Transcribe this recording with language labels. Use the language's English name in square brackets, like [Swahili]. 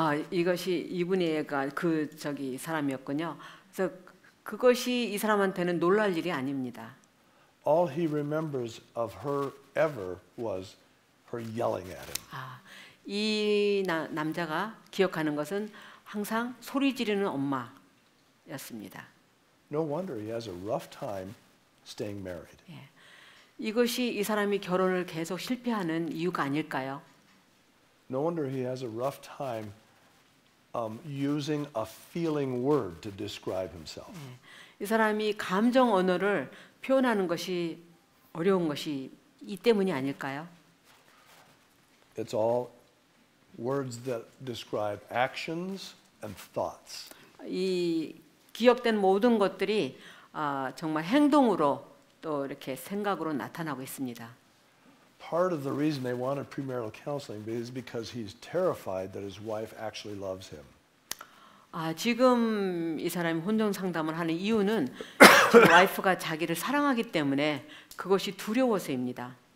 [Korean] 이것이 이분이 애가 그 저기 사람이었군요. 그래서 그것이 이 사람한테는 놀랄 일이 아닙니다. [English] All he remembers of her ever was her yelling at him. [Korean] 이 남자가 기억하는 것은 항상 소리 지르는 엄마였습니다. [English] No wonder he has a rough time staying married. [Korean] 예. 이것이 이 사람이 결혼을 계속 실패하는 이유가 아닐까요? [English] No wonder he has a rough time using a feeling word to describe himself. [Korean] 예. 이 사람이 감정 언어를 표현하는 것이 어려운 것이 이 때문이 아닐까요? [English] It's all words that describe actions and thoughts. [Korean] 이 기억된 모든 것들이 정말 행동으로 또 이렇게 생각으로 나타나고 있습니다. [English] Part of the reason they wanted premarital counseling is because he's terrified that his wife actually loves him. [Korean] 지금 이 사람이 혼전 상담을 하는 이유는 와이프가 자기를 사랑하기 때문에 그것이 두려워서입니다.